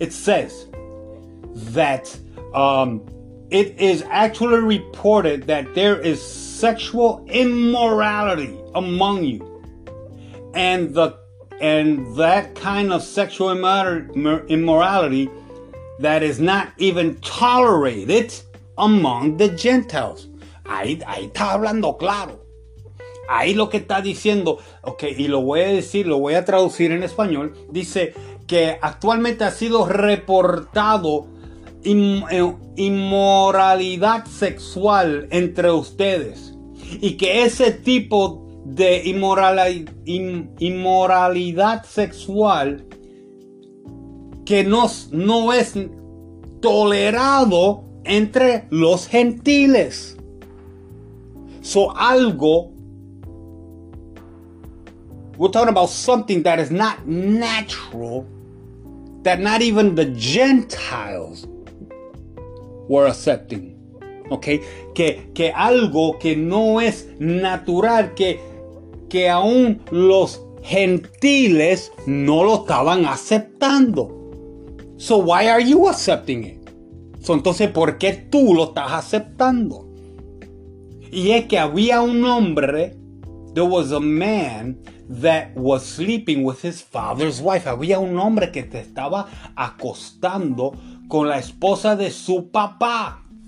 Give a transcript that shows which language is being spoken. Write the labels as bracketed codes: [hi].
[en] It says that it is actually reported that there is sexual immorality among you. And that kind of sexual immorality that is not even tolerated among the Gentiles. [es] Ahí está hablando claro. Ahí lo que está diciendo, ok, y lo voy a decir, lo voy a traducir en español. Dice que actualmente ha sido reportado inmoralidad sexual entre ustedes. Y que ese tipo de inmoralidad sexual que no es tolerado entre los gentiles. [en] So algo, we're talking about something that is not natural, that not even the Gentiles were accepting. Okay? [es] Que algo que no es natural, que aún los gentiles no lo estaban aceptando. [en] So why are you accepting it? [es] So entonces, ¿por qué tú lo estás aceptando? Y es que había un hombre, [en] there was a man that was sleeping with his father's wife. [es] Había un hombre que te estaba acostando con la esposa de su papá.